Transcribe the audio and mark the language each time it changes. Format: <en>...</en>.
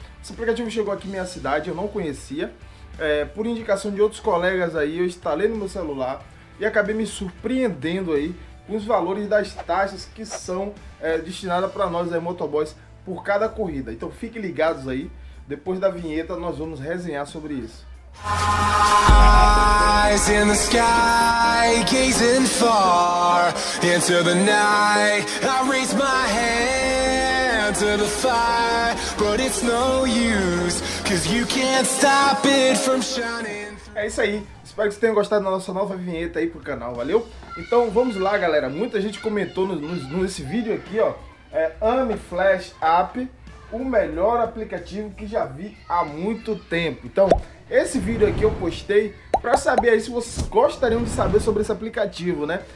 <pt>Esse aplicativo chegou aqui em minha cidade, eu não conhecia. Por indicação de outros colegas aí, eu instalei no meu celular e acabei me surpreendendo aí os valores das taxas que são destinadas para nós aí, motoboys, por cada corrida. Então fiquem ligados aí, depois da vinheta nós vamos resenhar sobre isso.</pt> <en>Eyes in the sky, gazing far into the night. I raise my hand to the fire, but it's no use, cause you can't stop it from shining.</en> <pt>É isso aí, espero que vocês tenham gostado da nossa nova vinheta aí pro canal, valeu? Então vamos lá, galera, muita gente comentou nesse vídeo aqui, ó, AME Flash App, o melhor aplicativo que já vi há muito tempo. Então, esse vídeo aqui eu postei pra saber aí se vocês gostariam de saber sobre esse aplicativo, né?</pt>